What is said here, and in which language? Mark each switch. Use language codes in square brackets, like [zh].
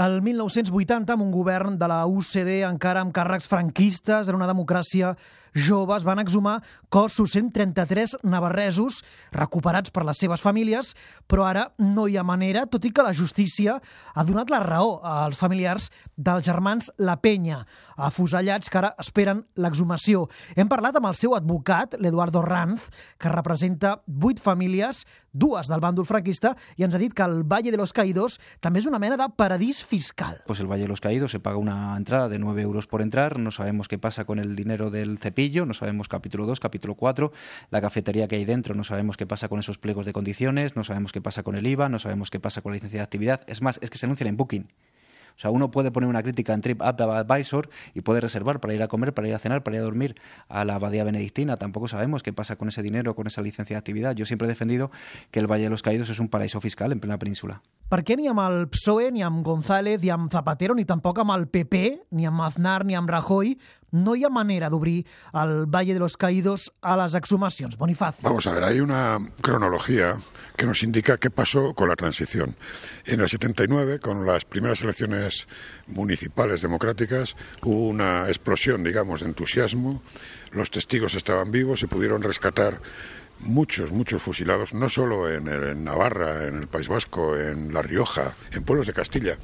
[ca] El 1980, amb un govern de la UCD encara amb càrrecs franquistes, en una democràcia joves, van exhumar cossos, 133 navarresos recuperats per les seves famílies, però ara no hi ha manera, tot i que la justícia ha donat la raó als familiars dels germans La Peña, afusellats, que ara esperen l'exhumació. Hem parlat amb el seu advocat, l'Eduardo Ranz, que representa 8 famílies, 2 del bàndol franquista, i ens ha dit que el Valle de los Caídos també és una mena de paradís fiscal. [es] Pues el Valle de los Caídos se paga una entrada de 9 euros por entrar, no sabemos qué pasa con el dinero del cepillo, no sabemos capítulo 2, capítulo 4, la cafetería que hay dentro, no sabemos qué pasa con esos pliegos de condiciones, no sabemos qué pasa con el IVA, no sabemos qué pasa con la licencia de actividad. Es más, es que se anuncian en Booking. O sea, uno puede poner una crítica en TripAdvisor y puede reservar para ir a comer, para ir a cenar, para ir a dormir a la Abadía Benedictina. Tampoco sabemos qué pasa con ese dinero, con esa licencia de actividad. Yo siempre he defendido que el Valle de los Caídos es un paraíso fiscal en plena península. [ca] ¿Per què ni amb el PSOE, ni amb González, ni amb Zapatero, ni tampoc amb el PP, ni amb Aznar, ni amb Rajoy, no hi ha manera d'obrir el Valle de los Caídos a les exhumacions, Bonifaz? [es] Vamos a ver, hay una cronología que nos indica qué pasó con la transición. En el 79, con las primeras elecciones municipales democráticas, hubo una explosión, digamos, de entusiasmo. Los testigos estaban vivos y pudieron rescatar muchos, muchos fusilados, no solo en Navarra, en el País Vasco, en La Rioja, en pueblos de Castilla.